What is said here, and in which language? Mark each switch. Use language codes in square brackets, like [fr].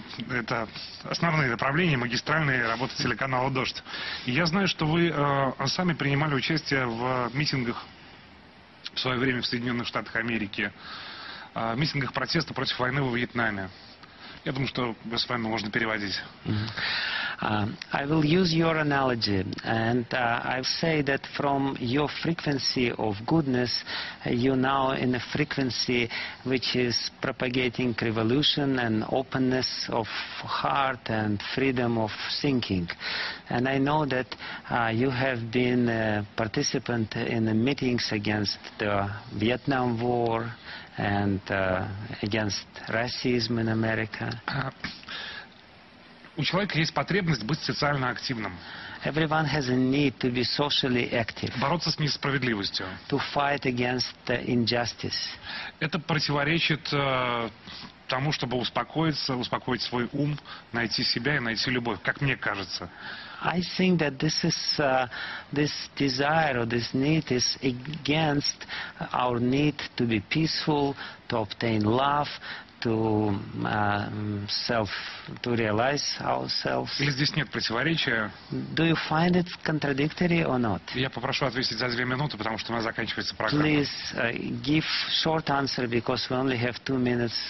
[ru] Это основные направления, магистральные работы телеканала «Дождь». И я знаю, что вы сами принимали участие в митингах в свое время в Соединенных Штатах Америки, в митингах протеста против войны во Вьетнаме. Я думаю, что с вами можно переводить. [en] I will use your analogy, and I say that from your frequency of goodness, you now in a frequency which is propagating revolution and openness of heart and freedom of thinking. And I know that you have been a participant in the meetings against the Vietnam War and against racism in America. [ru] У человека есть потребность быть социально активным. [en] Everyone has a need to be socially active. [ru] Бороться с несправедливостью. [en] To fight against the injustice. [ru] Это противоречит тому, чтобы успокоиться, успокоить свой ум, найти себя и найти любовь, как мне кажется. [en] I think that this is this desire or this need is against our need to be peaceful, to obtain love, to self, to realize ourselves. [ru] Или здесь нет противоречия? [en] Do you find it contradictory or not? [ru] Я попрошу ответить за две минуты, потому что у меня заканчивается программа. [en] Please give short answer because we only have 2 minutes.